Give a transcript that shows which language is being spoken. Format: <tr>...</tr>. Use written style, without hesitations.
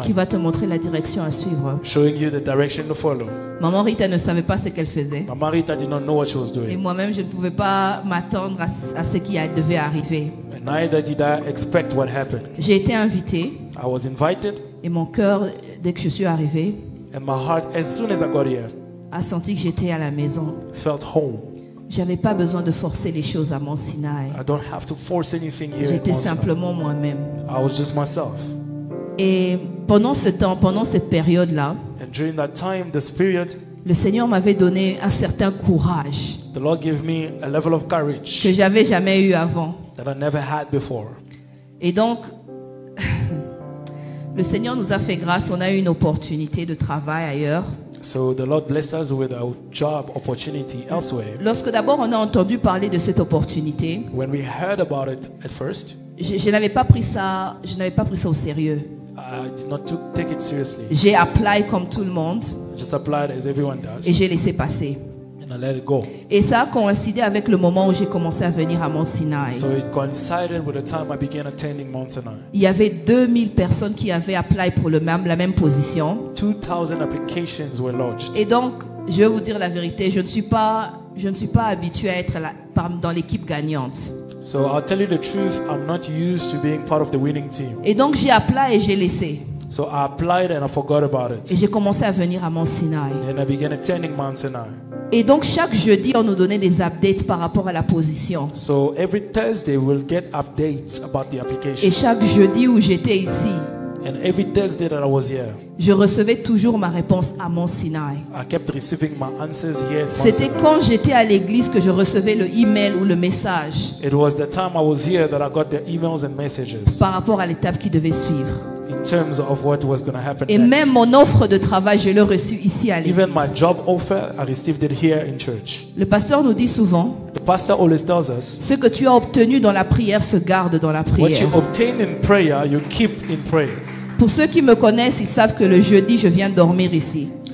<fr>Qui va te montrer la direction à suivre.</fr> <en>Showing you the direction to follow.</en> <fr>Mama Rita ne savait pas ce qu'elle faisait.</fr> <en>Mama Rita did not know what she was doing.</en> <fr>Et moi-même, je ne pouvais pas m'attendre à ce qui devait arriver.</fr> <en>And neither did I expect what happened.</en> <fr>J'ai été invité.</fr> <en>I was invited.</en> <fr>Et mon cœur, dès que je suis arrivé,</fr> <en>and my heart, as soon as I got here,</en> <fr>a senti que j'étais à la maison.</fr> <en>Felt home.</en> <fr>J'avais pas besoin de forcer les choses à Mount Sinai.</fr> <en>I don't have to force anything here.</en> <fr>J'étais simplement moi-même.</fr> <en>I was just myself.</en> <fr>Et pendant ce temps, pendant cette période-là,</fr> <en>and during that time, this period,</en> <fr>le Seigneur m'avait donné un certain courage,</fr> <en>the Lord gave me a level of courage</en> <fr>que j'avais jamais eu avant.</fr> <en>That I never had before.</en> <fr>Et donc, le Seigneur nous a fait grâce. On a eu une opportunité de travail ailleurs.</fr> <en>So the Lord blessed us with a job opportunity elsewhere.</en> <fr>Lorsque d'abord on a entendu parler de cette opportunité,</fr> <en>when we heard about it at first,</en> <fr>je n'avais pas pris ça au sérieux.</fr> <en>I did not take it seriously.</en> <fr>J'ai appliqué comme tout le monde.</fr> <en>I just applied as everyone does.</en> <fr>Et j'ai laissé passer.</fr> <en>And I let it go.</en> <fr>Et ça a coïncidé avec le moment où j'ai commencé à venir à Mount Sinai.</fr> <en>So it coincided with the time I began attending Mount Sinai.</en> <fr>Il y avait 2000 personnes qui avaient appliqué pour la même position.</fr> <en>2000 applications were lodged.</en> <fr>Et donc, je vais vous dire la vérité, je ne suis pas habitué à être dans l'équipe gagnante.</fr> <en>So I'll tell you the truth, I'm not used to being part of the winning team.</en> <fr>Et donc j'ai appliqué et j'ai laissé.</fr> <en>So I applied and I forgot about it.</en> <fr>Et j'ai commencé à venir à Mount Sinai.</fr> <en>And I began attending Mount Sinai.</en> <fr>Et donc chaque jeudi, on nous donnait des updates par rapport à la position.</fr> <en>So every Thursday we'll get updates about the application.</en> <fr>Et chaque jeudi où j'étais ici,</fr> <en>and every Thursday that I was here,</en> <fr>je recevais toujours ma réponse à Mount Sinai.</fr> <en>I kept receiving my answers here.</en> <fr>C'était quand j'étais à l'église que je recevais le email ou le message.</fr> <en>It was the time I was here that I got the emails and messages.</en> <fr>Par rapport à l'étape qui devait suivre.</fr> <en>In terms of what was going to happen</en> <fr>et</fr> <en>next.</en> <fr>Même mon offre de travail, je l'ai reçue ici à l'église.</fr> <en>Even my job offer, I received it here in church.</en> <fr>Le pasteur nous dit souvent,</fr> <en>the pastor always tells us,</en> <fr>ce que tu as obtenu dans la prière se garde dans la prière.</fr> <en>What you obtain in prayer, you keep in prayer.</en> <fr>Pour ceux qui me connaissent, ils savent que le jeudi, je viens dormir ici.</fr>